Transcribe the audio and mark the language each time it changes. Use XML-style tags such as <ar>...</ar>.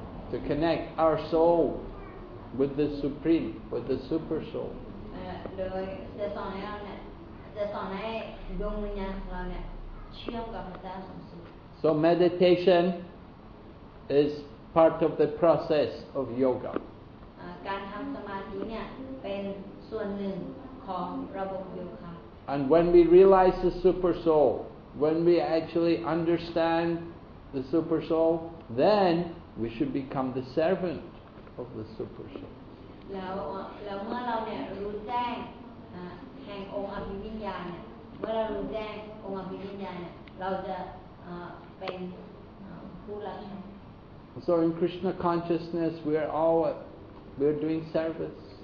<en>To connect our soul with the Supreme, with the Super Soul.</en> <th>โดยจะสอนให้เราเนี่ยจะสอนให้ดวงวิญญาณของเราเนี่ยเชื่อมกับพระเจ้าสูงสุด</th> <en>So meditation is part of the process of yoga</en> <th>การทำสมาธิเนี่ยเป็นส่วนหนึ่งของระบบโยคะ</th> <en>And when we realize the super soul when we actually understand the super soul then we should become the servant of the super soul</en> <th>แล้วเมื่อเราเนี่ยรู้แจ้งแห่งองค์อภิวิญญาณเนี่ยเมื่อเรารู้แจ้งองค์อภิวิญญาณเนี่ยเราจะเป็นผู้รับใช้</th> <en>So in Krishna consciousness we're doing service</en>